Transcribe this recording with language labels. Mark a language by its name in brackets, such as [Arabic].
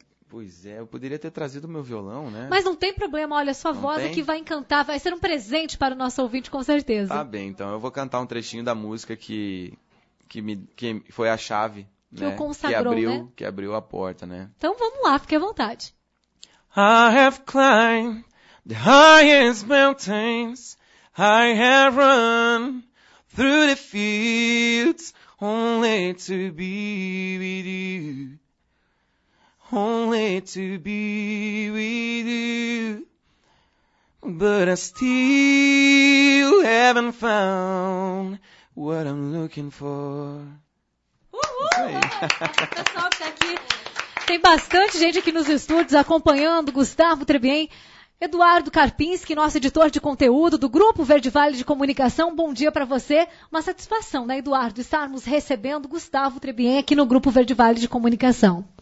[Portuguese] Pois eu poderia ter trazido o meu violão, né? Mas não tem problema, olha, sua voz é que vai encantar, vai ser um presente para o nosso ouvinte, com certeza. Tá bem, então eu vou cantar um trechinho da música que foi a chave. Que né? O consagrou, que abriu, né? Que abriu a porta, né? Então vamos lá, fique à vontade. [English] I have climbed the highest mountains. I have run through the fields only to be with you. Only to be with you. But I still haven't found what I'm looking for. [Portuguese] Uhul! Pessoal que tá aqui. Tem bastante gente aqui nos estúdios acompanhando. Gustavo Trebien, Eduardo Karpinski, nosso editor de conteúdo do Grupo Verde Vale de Comunicação. Bom dia para você. Uma satisfação, né, Eduardo, estarmos recebendo Gustavo Trebien aqui no Grupo Verde Vale de Comunicação.